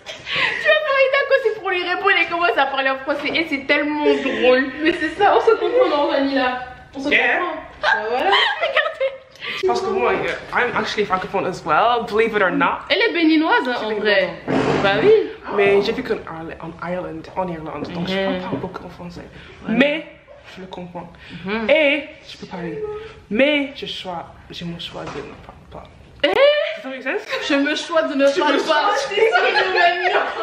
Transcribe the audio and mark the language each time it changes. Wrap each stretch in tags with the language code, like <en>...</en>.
<fr>Tu vois Farida quoi, c'est pour lui répondre et commence à parler en français et c'est tellement drôle. Mais c'est ça, on se comprend dans Vanilla. On se comprend.</fr> <en>Yeah.</en> <fr>Voilà. Regardez. Parce que moi,</fr> <en>I'm actually francophone as well, believe it or not.</en> <fr>Elle est béninoise hein, en vrai. Bah oui. Mais j'ai vu qu'en Irlande, donc je ne parle pas beaucoup en français. Ouais. Mais je le comprends. Mm-hmm. Et je peux parler. Mais j'ai mon choix de ne pas parler. Je me choisis de ne pas parler.</fr>